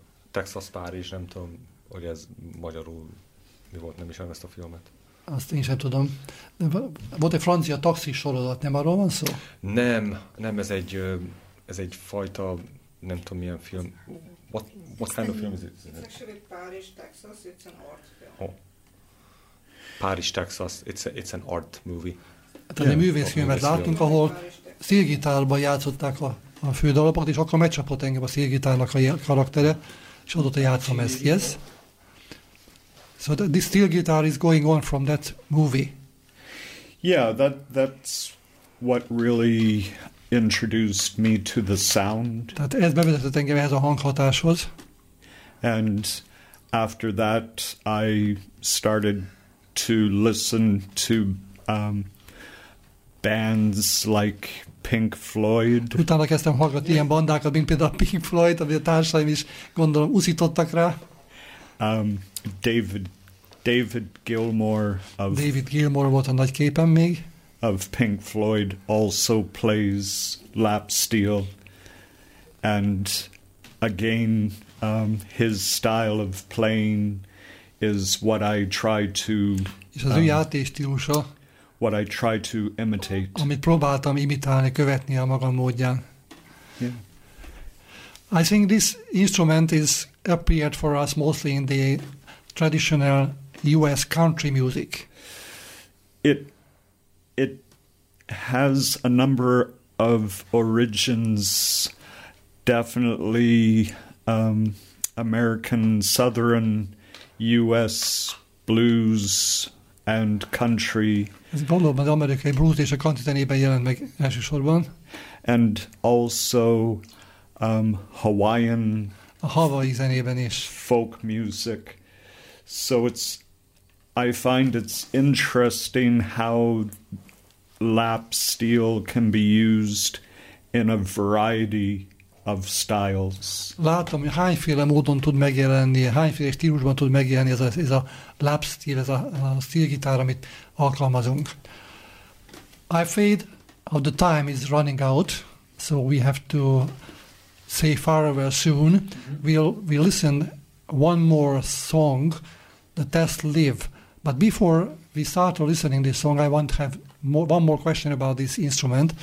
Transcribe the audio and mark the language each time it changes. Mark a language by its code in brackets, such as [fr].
[hu] Texas Paris, nem tudom, hogy ez magyarul mi volt, nem ismerem ezt a filmet. Azt én sem tudom. De volt egy francia taxis sorozat, nem arról van szó? Nem, ez egy fajta, nem tudom milyen film. [en] What kind of film is it? It's actually Paris, Texas, it's an art film. Oh. Paris, Texas, it's an art movie. [hu] Tehát egy művészfilmet láttunk, ahol szélgitárban játszották a fő dalapot, és akkor megcsapott engem a szélgitárnak a karaktere, és adott a játszom ezt, yes? [en] So this steel guitar is going on from that movie. Yeah, that's what really introduced me to the sound. [hu] Tehát ez bevezetett engem ehhez a hanghatáshoz. [en] And after that, I started to listen to bands like Pink Floyd. [hu] Utána kezdtem hallgatni ilyen bandákat, mint például Pink Floyd, ami a társaim is gondolom uszítottak rá. [en] David Gilmour [hu] volt a nagy képen még. [en] Of Pink Floyd also plays lap steel, and again his style of playing is what I try to. [hu] És az ő játék stílusa. [en] What I try to imitate. [hu] Amit próbáltam imitálni, követni a magam módján. [en] Yeah. I think this instrument is appeared for us mostly in the traditional U.S. country music. It has a number of origins, definitely American Southern U.S. blues and country. [hu] Ez valóban az amerikai blues és a country zenében jelent meg elsősorban. [en] And also Hawaiian. [hu] A Hawaii zenében is. [en] Folk music. So I find it's interesting how lap steel can be used in a variety of styles. [hu] Látom, hogy hányféle módon tud megjelenni, hányféle stílusban tud megjelenni ez a lap steel, ez a steel gitár, amit alkalmazunk. [en] I feel that the time is running out, so we have to say farewell soon. Mm-hmm. We'll listen one more song, The Test Live. But before we start listening this song, I want to have one more question about this instrument.